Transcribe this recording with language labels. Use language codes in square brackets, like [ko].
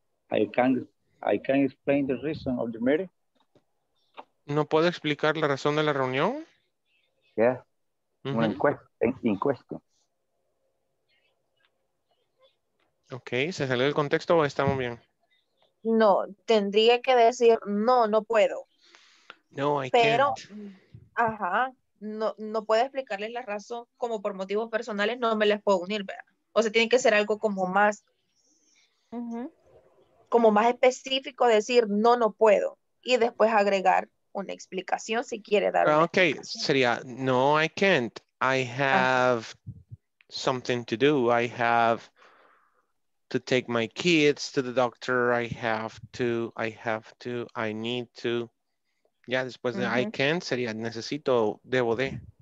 [en] I can't explain the reason of the meeting. [es] ¿No puedo explicar la razón de la reunión? [en] Yeah. Mm-hmm. In question. [es] Ok, ¿se salió el contexto o estamos bien? No, tendría que decir no, no puedo. [en] No, I pero, can't. [es] Ajá, no puedo explicarles la razón, como por motivos personales no me les puedo unir, ¿verdad? O sea, tiene que ser algo como más, como más específico, decir no, no puedo. Y después agregar una explicación si quiere dar. [en] Ok, [es] sería no, [en] I can't. I have something to do. I have to take my kids to the doctor. I need to. [es] Ya, después de I can't, sería necesito, debo de.